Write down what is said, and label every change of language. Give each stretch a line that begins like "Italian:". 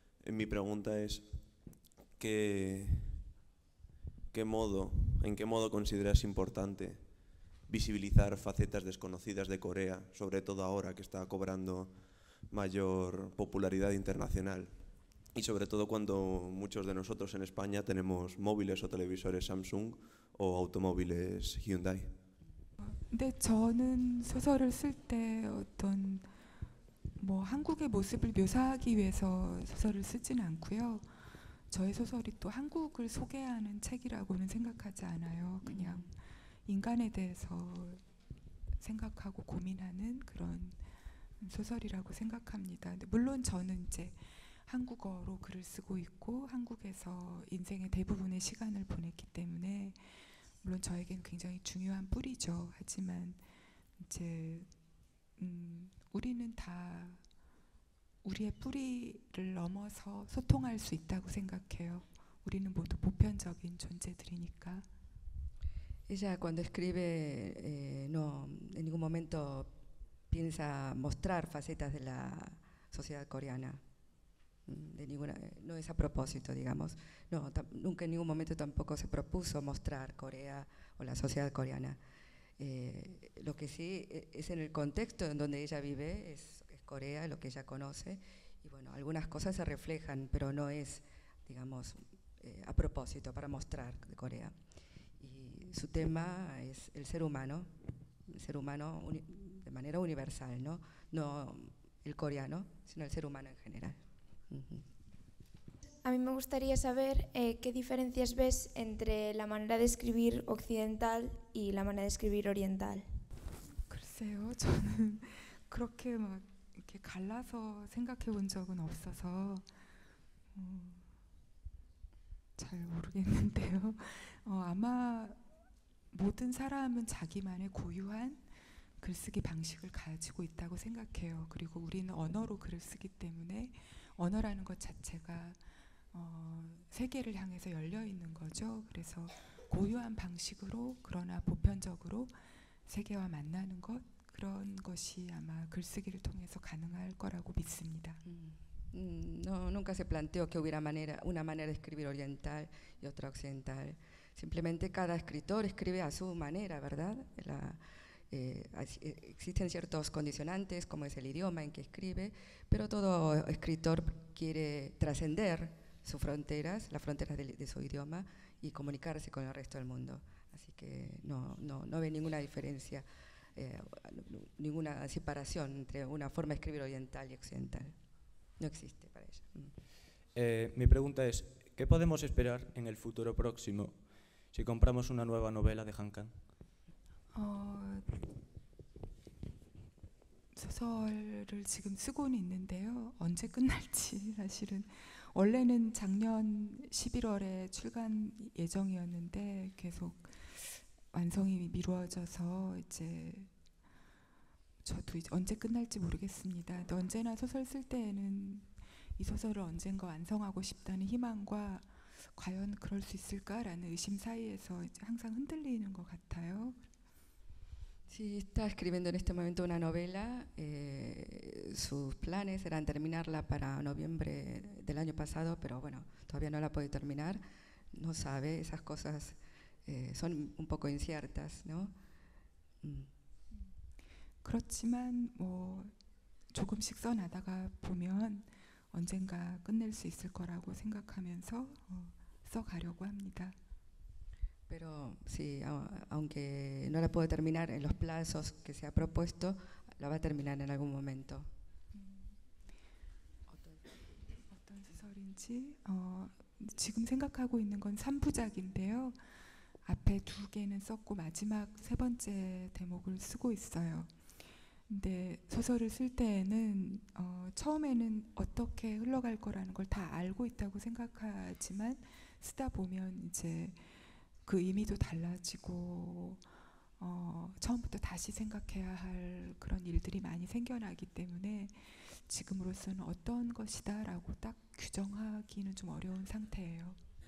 Spanish: Mi pregunta es ¿en qué modo consideras importante visibilizar facetas desconocidas de Corea, sobre todo ahora que está cobrando mayor popularidad internacional? Y sobre todo cuando muchos de nosotros en España tenemos móviles o televisores Samsung o automóviles Hyundai.
Korean: 근데 저는 소설을 쓸 때 어떤 뭐 한국의 모습을 묘사하기 위해서 소설을 쓰진 않고요. 저의 소설이 또 한국을 소개하는 책이라고는 생각하지 않아요. 그냥 인간에 대해서 생각하고 고민하는 그런 소설이라고 생각합니다. 근데 물론 저는 이제 한국어로 글을 쓰고 있고 한국에서 인생의 대부분의 시간을 보냈기 때문에 물론 저에겐 굉장히 중요한 뿌리죠. 하지만 이제 우리는 다 우리의 뿌리를 넘어서 소통할 수 있다고 생각해요. 우리는 모두 보편적인 존재들이니까.
Spanish: Ella cuando escribe no en ningún momento piensa mostrar facetas de la sociedad coreana. De ninguna, no es a propósito, digamos. No, nunca en ningún momento tampoco se propuso mostrar Corea o la sociedad coreana. Lo que sí es en el contexto en donde ella vive, es Corea, lo que ella conoce. Y bueno, algunas cosas se reflejan, pero no es, digamos, a propósito para mostrar de Corea. Y su tema es el ser humano de manera universal, ¿no? No el coreano, sino el ser humano en general. A mí me gustaría saber qué diferencias ves entre la manera de escribir occidental y la manera de escribir oriental.
Korean: 글쎄요, 저는 그렇게 막 이렇게 갈라서 생각해 본 적은 없어서 잘 모르겠는데요. 아마 모든 사람은 자기만의 고유한 글쓰기 방식을 가지고 있다고 생각해요. 그리고 우리는 언어로 글을 쓰기 때문에 언어라는 것 자체가 세계를 향해서 열려 있는 거죠. 그래서 고유한 방식으로 그러나 보편적으로 세계와 만나는 것 그런 것이 아마 글쓰기를 통해서 가능할 거라고 믿습니다.
Spanish: No, nunca se planteó que hubiera manera, una manera de escribir oriental y otra occidental. Simplemente cada escritor escribe a su manera, ¿verdad? Existen ciertos condicionantes, como es el idioma en que escribe, pero todo escritor quiere trascender sus fronteras, las fronteras de su idioma, y comunicarse con el resto del mundo. Así que no ve ninguna diferencia, ninguna separación entre una forma de escribir oriental y occidental. No existe para ella. Mi pregunta es, ¿qué podemos esperar en el futuro próximo si compramos una nueva novela de Han Kang?
Korean: 소설을 지금 쓰고는 있는데요. 언제 끝날지 사실은 원래는 작년 11월에 출간 예정이었는데 계속 완성이 미뤄져서 이제 저도 이제 언제 끝날지 모르겠습니다. 언제나 소설 쓸 때에는 이 소설을 언젠가 완성하고 싶다는 희망과 과연 그럴 수 있을까라는 의심 사이에서 이제 항상 흔들리는 것 같아요.
Spanish: Sí, está escribiendo en este momento una novela. Sus planes eran terminarla para noviembre del año pasado, pero bueno, todavía no la puede terminar. No sabe, esas cosas son un poco inciertas, ¿no?
Korean: 그렇지만 뭐 조금씩 써나다가 보면 언젠가 끝낼 수 있을 거라고 생각하면서 써가려고 합니다.
Spanish: Pero sí, aunque no la puedo terminar en los plazos que se ha propuesto, la va a terminar en algún momento.
Korean: 어떤 소설인지 지금 생각하고 있는 건 3부작인데요. 앞에 두 개는 썼고 마지막 세 번째 대목을 쓰고 있어요. 근데 소설을 쓸 때에는 처음에는 어떻게 흘러갈 거라는 걸 다 알고 있다고 생각하지만 쓰다 보면 이제 그 의미도 달라지고 처음부터 다시 생각해야 할 그런 일들이 많이 생겨나기 때문에 지금으로서는 어떤 것이다 라고 딱 규정하기는 좀 어려운 상태예요.